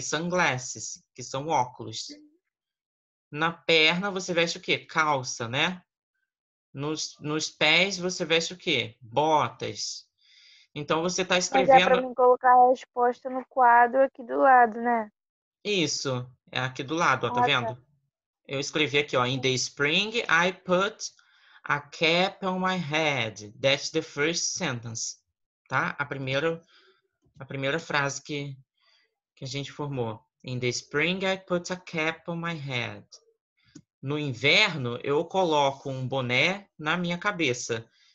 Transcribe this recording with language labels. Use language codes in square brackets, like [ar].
[pt] Sunglasses, que são óculos. Na perna você veste o quê? Calça, né? Nos pés você veste o quê? Botas. Então você está Mas dá escrevendo. para mim colocar a resposta no quadro aqui do lado, né? Isso, é aqui do lado, ó, tá Ah, vendo? tá. Eu escrevi aqui, ó. [en] In the spring, I put a cap on my head. That's the first sentence, tá? [pt] A primeira frase que a gente formou. [en] In the spring, I put a cap on my head. [pt] No inverno, eu coloco um boné na minha cabeça.